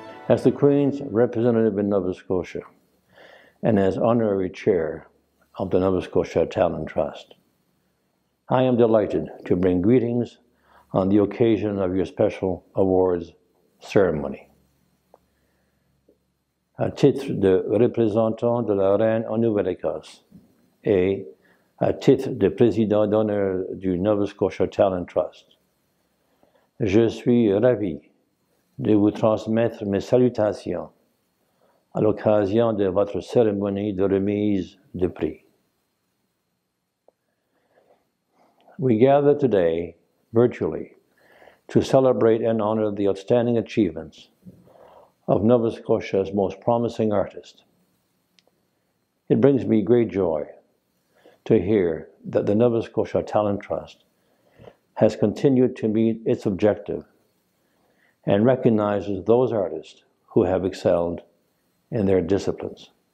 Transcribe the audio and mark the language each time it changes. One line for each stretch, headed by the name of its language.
English: As the Queen's representative in Nova Scotia and as honorary chair of the Nova Scotia Talent Trust, I am delighted to bring greetings on the occasion of your special awards ceremony.
French: À titre de représentant de la Reine en Nouvelle-Écosse et à titre de président d'honneur du Nova Scotia Talent Trust, je suis ravi de vous transmettre mes salutations à l'occasion de votre cérémonie de remise de prix.
English: We gather today virtually to celebrate and honor the outstanding achievements of Nova Scotia's most promising artist. It brings me great joy to hear that the Nova Scotia Talent Trust has continued to meet its objective and recognizes those artists who have excelled in their disciplines.